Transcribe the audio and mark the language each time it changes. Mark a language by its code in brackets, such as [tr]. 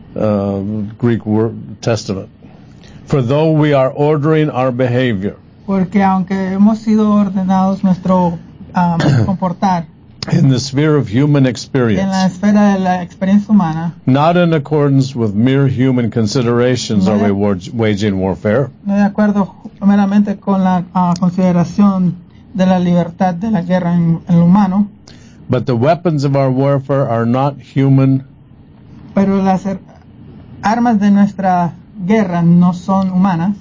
[en] Greek word testament. For though we are ordering our behavior, [es] porque aunque hemos sido ordenados nuestro comportar, [en] in the sphere of human experience, [es] en la esfera de la experiencia humana, [en] not in accordance with mere human considerations are we waging warfare. [es] No de acuerdo meramente con la consideración de la libertad de la guerra en el humano. [en] But the weapons of our warfare are not human. [es] Pero las armas de nuestra guerra no son humanas.